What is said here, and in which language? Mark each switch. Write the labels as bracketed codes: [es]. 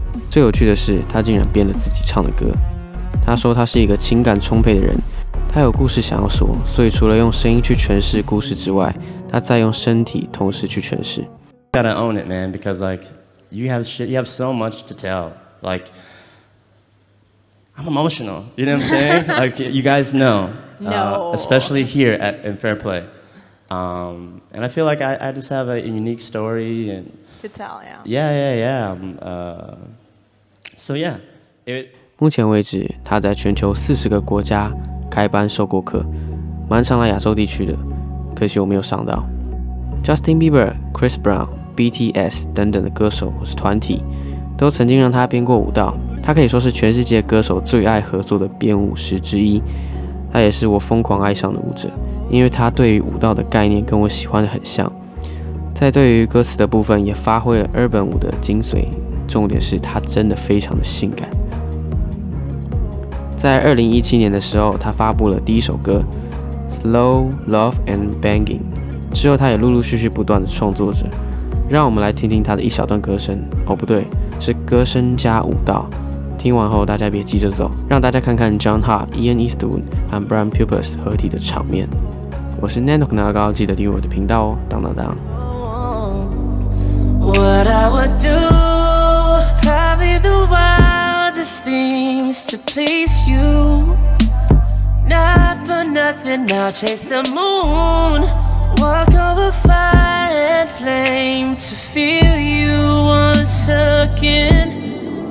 [zh] 最有趣的是，他竟然编了自己唱的歌。他说他是一个情感充沛的人，他有故事想要说，所以除了用声音去诠释故事之外，他再用身体同时去诠释。 [en] You gotta own it, man, because like you have shit, you have so much to tell. Like I'm emotional, you know what I'm saying? Like you guys know, especially here at in Fair Play. And I feel like I just have a unique story and to tell, yeah. So yeah. [zh] 目前为止，他在全球40个国家开班授过课，蛮常来亚洲地区的，可惜我没有上到。 Justin Bieber、Chris Brown、BTS 等等的歌手或是团体，都曾经让他编过舞蹈。他可以说是全世界歌手最爱合作的编舞师之一。他也是我疯狂爱上的舞者，因为他对于舞蹈的概念跟我喜欢的很像。在对于歌词的部分，也发挥了 Urban 舞的精髓，重点是他真的非常的性感。在2017年的时候，他发布了第一首歌《Slow Love and Banging》。之后，他也陆陆续续不断的创作着。让我们来听听他的一小段歌声。哦，不对，是歌声加舞蹈。听完后，大家别急着走，让大家看看 John Hart、Ian Eastwood 和 Brian Pupus 合体的场面。我是 Nando 克纳高，记得订阅我的频道哦。当当当。 [en] What I would do, probably the wildest things to please you. Not for nothing, I'll chase the moon. Walk over fire and flame to feel you once again.